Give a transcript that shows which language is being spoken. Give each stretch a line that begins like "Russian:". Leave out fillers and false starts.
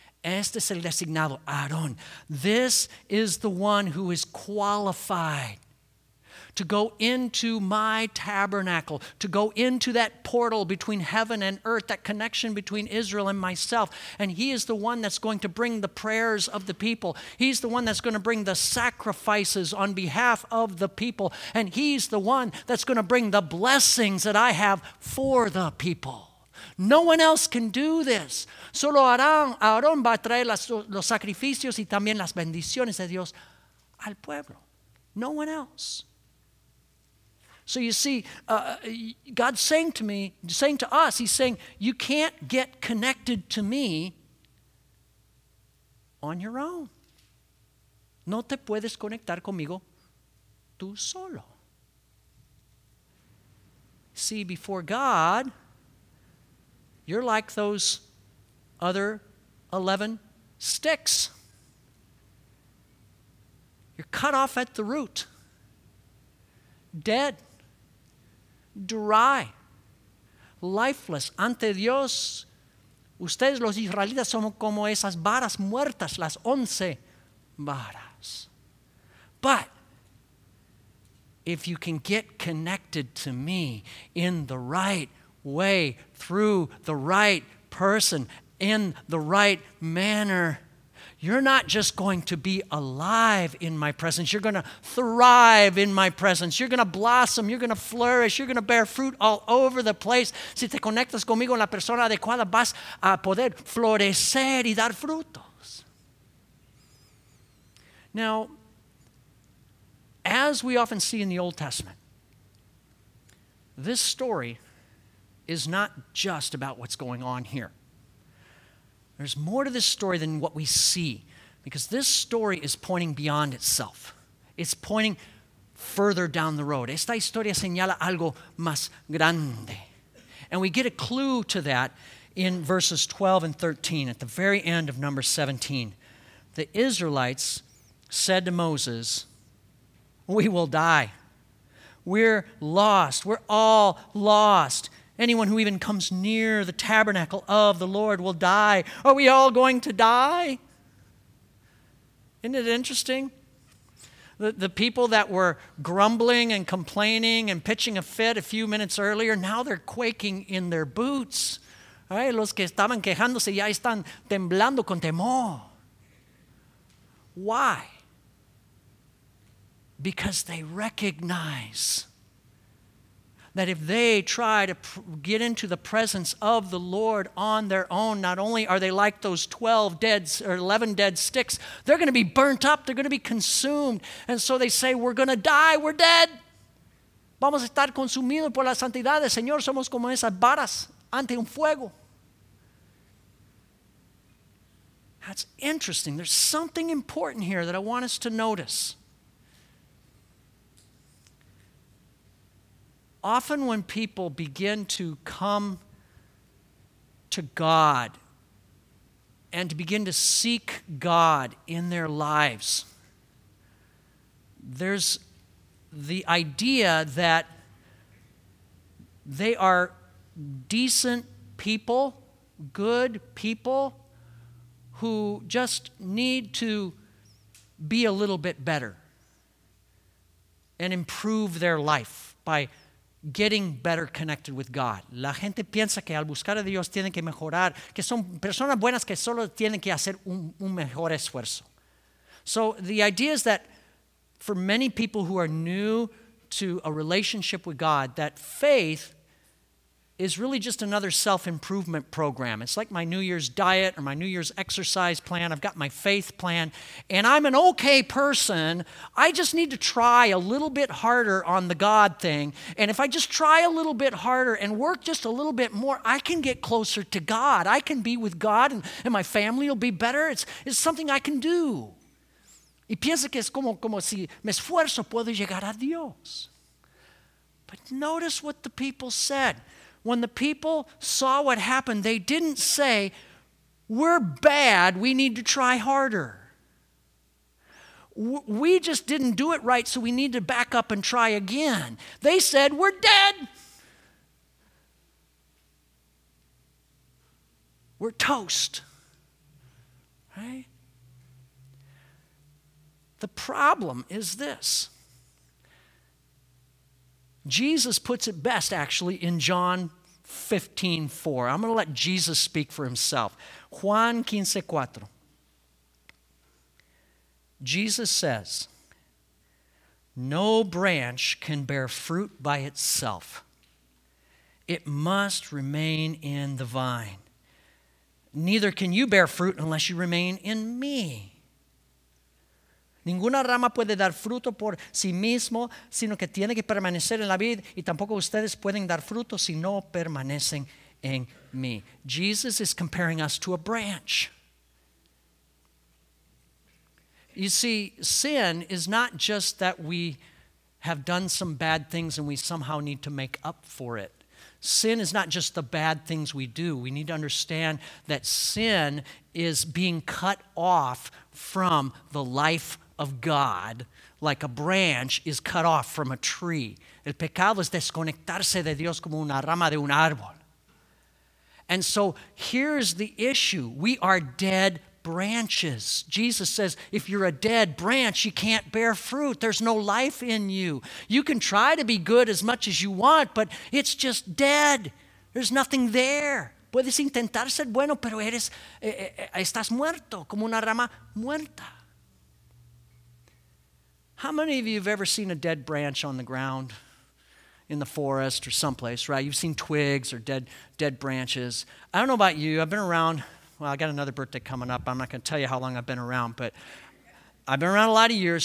Spanish: Este es el designado,
English: Aaron. This is the one who is qualified to go into my tabernacle, to go into that portal between heaven and earth, that connection between Israel and myself. And he is the one that's going to bring the prayers of the people. He's the one that's going to bring the sacrifices on behalf of the people. And he's the one that's going to bring the blessings that I have for the people. No one else can do this.
Spanish: Solo Aarón va a traer los sacrificios y también las bendiciones de Dios al pueblo.
English: No one else. So you see, God's saying to us, he's saying, you can't get connected to me on your own.
Spanish: No te puedes conectar conmigo tú solo.
English: See, before God, you're like those other 11 sticks. You're cut off at the root. Dead. Dry, lifeless,
Spanish: ante Dios. Ustedes los israelitas son como esas varas muertas, las 11 varas.
English: But if you can get connected to me in the right way, through the right person, in the right manner, You're not just going to be alive in my presence. You're going to thrive in my presence. You're going to blossom. You're going to flourish. You're going to bear fruit all over the place.
Spanish: Si te conectas conmigo en la persona adecuada, vas a poder florecer y dar frutos.
English: Now, as we often see in the Old Testament, this story is not just about what's going on here. There's more to this story than what we see, because this story is pointing beyond itself. It's pointing further down the road.
Spanish: Esta historia señala algo más grande.
English: And we get a clue to that in verses 12 and 13, at the very end of number 17. The Israelites said to Moses, "We will die. We're lost. We're all lost. Anyone who even comes near the tabernacle of the Lord will die. Are we all going to die?" Isn't it interesting? The people that were grumbling and complaining and pitching a fit a few minutes earlier, now they're quaking in their boots. All right,
Spanish: los que estaban quejándose ya están temblando con temor.
English: Why? Because they recognize that if they try to get into the presence of the Lord on their own, not only are they like those 12 dead or 11 dead sticks, they're going to be burnt up. They're going to be consumed. And so they say, "We're going to die. We're dead.
Spanish: Vamos a estar consumidos por la santidad del Señor. Somos como esas varas ante un fuego."
English: That's interesting. There's something important here that I want us to notice. Often when people begin to come to God and to begin to seek God in their lives, there's the idea that they are decent people, good people, who just need to be a little bit better and improve their life by getting better connected with God.
Spanish: La gente piensa que al buscar a Dios tienen que mejorar, que son personas buenas que solo tienen que hacer un mejor esfuerzo.
English: So the idea is that for many people who are new to a relationship with God, that faith is really just another self-improvement program. It's like my New Year's diet or my New Year's exercise plan. I've got my faith plan, and I'm an okay person. I just need to try a little bit harder on the God thing. And if I just try a little bit harder and work just a little bit more, I can get closer to God. I can be with God, and my family will be better. It's something I can do.
Spanish: Y piensa que es como si me esfuerzo puedo llegar a Dios.
English: But notice what the people said. When the people saw what happened, they didn't say, "We're bad, we need to try harder. We just didn't do it right, so we need to back up and try again." They said, "We're dead. We're toast." Right? The problem is this. Jesus puts it best, actually, in John 15:4. I'm going to let Jesus speak for himself.
Spanish: Juan 15:4.
English: Jesus says, "No branch can bear fruit by itself. It must remain in the vine. Neither can you bear fruit unless you remain in me.
Spanish: Ninguna rama puede dar fruto por sí mismo, sino que tiene que permanecer en la vid, y tampoco ustedes pueden dar fruto si no permanecen en mí."
English: Jesus is comparing us to a branch. You see, sin is not just that we have done some bad things and we somehow need to make up for it. Sin is not just the bad things we do. We need to understand that sin is being cut off from the life of God, like a branch is cut off from a tree.
Spanish: El pecado es desconectarse de Dios como una rama de un árbol.
English: And so here's the issue. We are dead branches. Jesus says, if you're a dead branch, you can't bear fruit. There's no life in you. You can try to be good as much as you want, but it's just dead. There's nothing there.
Spanish: Puedes intentar ser bueno, pero eres, estás muerto, como una rama muerta.
English: How many of you have ever seen a dead branch on the ground in the forest or someplace, right? You've seen twigs or dead branches. I don't know about you. I've been around. Well, I got another birthday coming up. I'm not going to tell you how long I've been around, but I've been around a lot of years.